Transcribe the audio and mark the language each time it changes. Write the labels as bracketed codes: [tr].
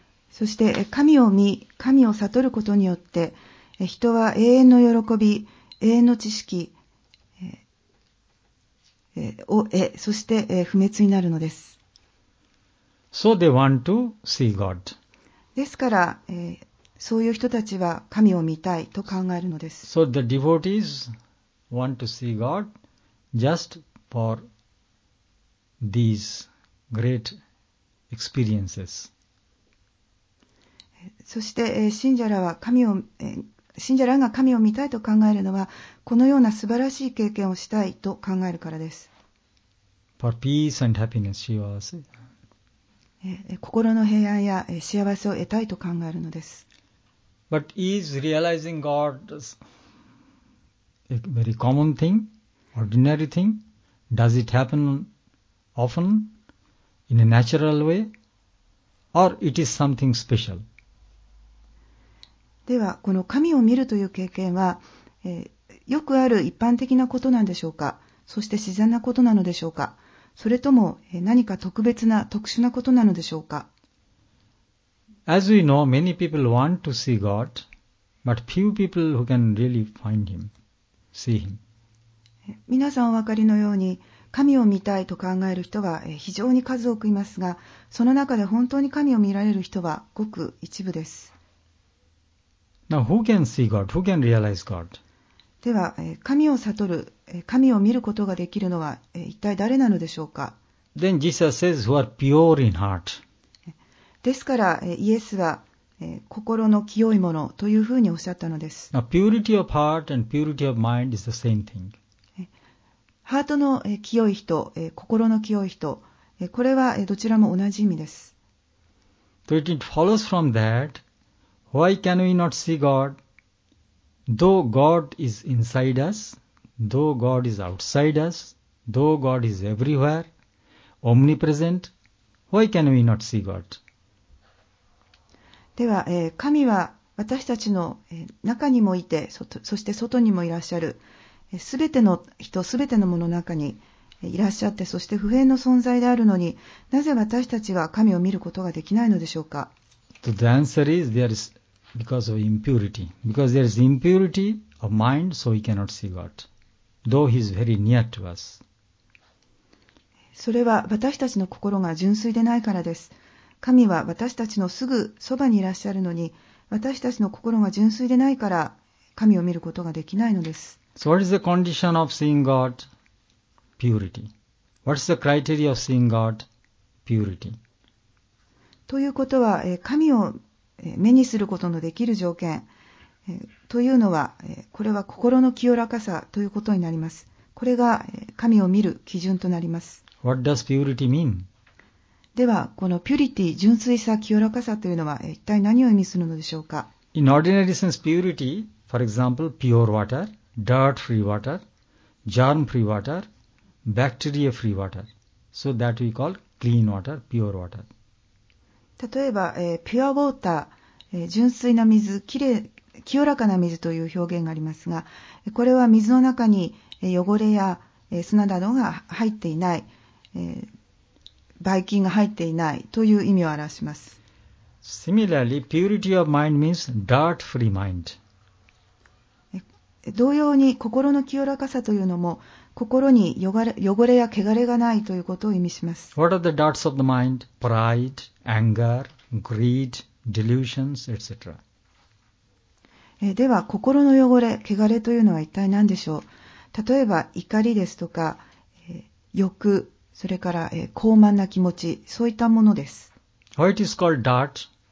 [ja] そして神を悟ることによって人は永遠の喜び、永遠の知識を得、そして不滅になるのです。 [en] So they want to see God. [ja] ですから、そういう人たちは神を見たいと考えるのです。 [en] So the devotees want to see God just for these great experiences. [ja] そして、信者らは信者らが神を見たいと考えるのは、このような素晴らしい経験をしたいと考えるからです。 [en] For peace and happiness, 幸せ。 [ja] 心の平安や幸せを得たいと考えるのです。 [en] But is realizing God a very common thing, ordinary thing? Does it happen often in a natural way? Or it is something special? [ja] では、この神を見るという経験は、よくある一般的なことなんでしょうか？そして自然なことなのでしょうか？それとも、何か特別な、特殊なことなのでしょうか？ [en] As we know, many people want to see God, but few people who can really find Him, see Him. [ja] 皆さんお分かりのように、神を見たいと考える人は非常に数多くいますが、その中で本当に神を見られる人はごく一部です。 [en] Now, who can see God? Who can realize God? [ja] では、神を悟る、神を見ることができるのは一体誰なのでしょうか？ [en] Then Jesus says, who are pure in heart. [ja] ですから、イエスは、心の清いものというふうにおっしゃったのです。 [en] Now, purity of heart and purity of mind is the same thing. [ja] ハートの清い人、心の清い人、これはどちらも同じ意味です。 [en] So it follows from that,Why can we not see God? Though God is inside us, though God is outside us, though God is everywhere, omnipresent, why can we not see God? [ja] では、神は私たちの中にもいて、そして外にもいらっしゃる、すべての人、すべてのものの中にいらっしゃって、そして不変の存在であるのに、なぜ私たちは神を見ることができないのでしょうか？ [en] So the answer is, there is... Because of impurity. Because there is impurity of mind, so he cannot see God. Though he is very near to us. [ja] それは私たちの心が純粋でないからです。神は私たちのすぐそばにいらっしゃるのに、私たちの心が純粋でないから神を見ることができないのです。 [en] So what is the condition of seeing God? Purity. What is the criteria of seeing God? Purity. [ja] ということは、神を目にすることのできる条件というのは、これは心の清らかさということになります。これが神を見る基準となります。 [en] What does purity mean? [ja] では、このピュリティ、純粋さ、清らかさというのは一体何を意味するのでしょうか [en] ?In ordinary sense, purity, for example, pure water, dirt-free water, germ-free water, bacteria-free water. So that we call clean water, pure water. [ja] 例えば、ピュアウォーター、純粋な水、清らかな水という表現がありますが、これは水の中に、汚れや、砂などが入っていない、バイ菌が入っていないという意味を表します。 [en] Similarly, purity of mind means dirt-free mind. [ja] 同様に、心の清らかさというのも、心に汚れや汚れがないということを意味します。 [en] What are the darts of the mind? Pride, anger, greed, delusions, etc. [ja] では心の汚れ、汚れというのは一体何でしょう。例えば怒りですとか、欲、それから、傲慢な気持ち、そういったものです。 [en] Why it is called dart?